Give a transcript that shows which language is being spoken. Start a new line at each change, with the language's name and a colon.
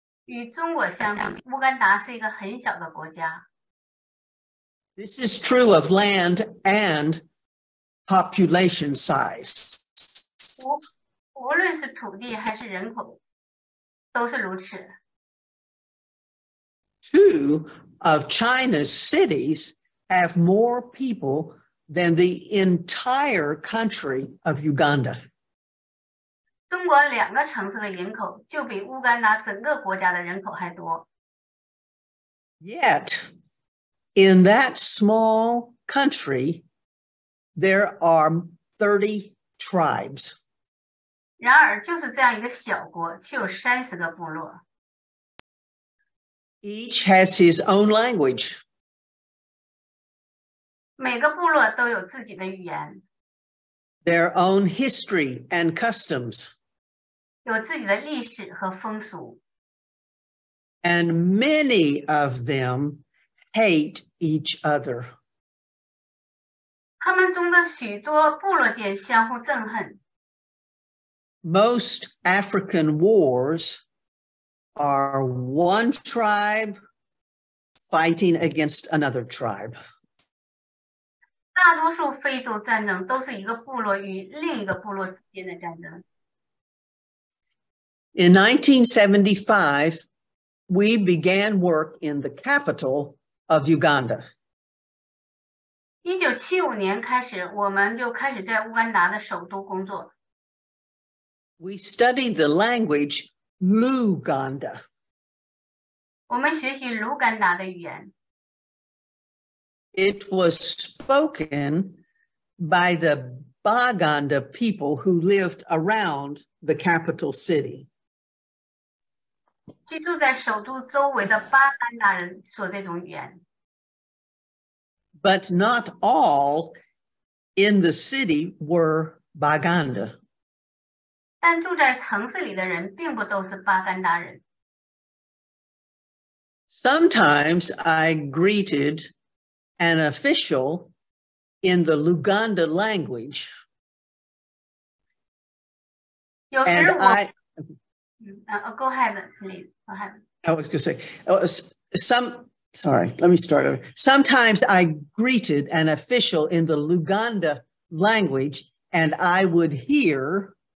Chinese: 与中国相比，乌干达是一个很小的国家。
English: This is true of land and population size.
Chinese: 无论是土地还是人口，都是如此。
English: Two of China's cities have more people than the entire country of Uganda.
Chinese: 中国两个城市的人口就比乌干达整个国家的人口还多。
English: Yet, in that small country, there are 30 tribes.
Chinese: 然而就是这样一个小国却有30个部落。
English: Each has his own language.
Chinese: 每个部落都有自己的语言。
English: Their own history and customs.
Chinese: 有自己的历史和风俗。
English: And many of them hate each other.
Chinese: 他们中的许多部落间相互憎恨。
English: Most African wars are one tribe fighting against another tribe.
Chinese: 大多数非洲战争都是一个部落与另一个部落之间的战争。
English: In 1975, we began work in the capital of Uganda.
Chinese: 1975年开始，我们就开始在乌干达的首都工作。
English: We studied the language Luganda.
Chinese: 我们学习卢干达的语言。
English: It was spoken by the Baganda people who lived around the capital city.
Chinese: 居住在首都周围的巴干达人说这种语言。
English: But not all in the city were Baganda.
Chinese: 但住在城市里的人并不都是巴干达人。
English: Sometimes I greeted an official in the Luganda language.
Chinese: 有时我
English: go ahead, please. I was going to say, Sometimes I greeted an official in the Luganda language and I would hear.